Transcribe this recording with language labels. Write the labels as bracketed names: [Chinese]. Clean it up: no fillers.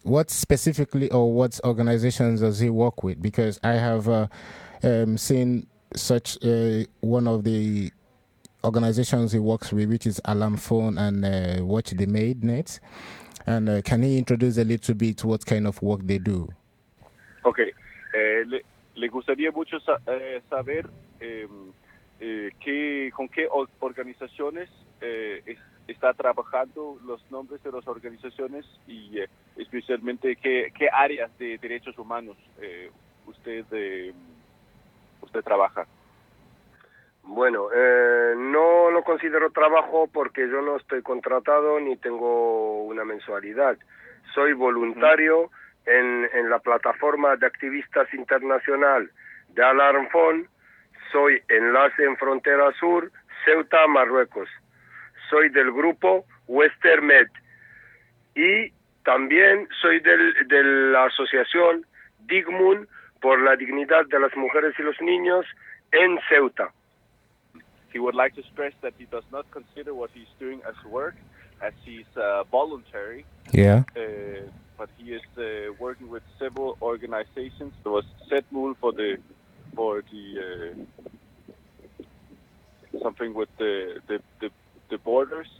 [English] What specifically, or what organizations does he work with? Because I have seen such one of the organizations he works with, which is Alarm Phone and Watch the Maid Net. And can he introduce a little bit what kind of work they do? Okay. [Spanish] Le gustaría mucho saber con qué organizaciones está trabajando, los nombres de las organizaciones y especialmente qué áreas de derechos humanos usted trabaja. Bueno, no lo considero trabajo porque yo no estoy contratado ni tengo una mensualidad. Soy voluntario. Uh-huh. En la plataforma de activistas internacional de Alarm Phone, soy enlace en frontera sur, Ceuta, Marruecos. Soy del grupo Western Med. Y también soy de la asociación Digmun por la dignidad de las mujeres y los niños en Ceuta. [English] He would like to stress that he does not consider what he's doing as work, as he's voluntary. Yeah. But he is working with several organizations. There was Setmul for the borders.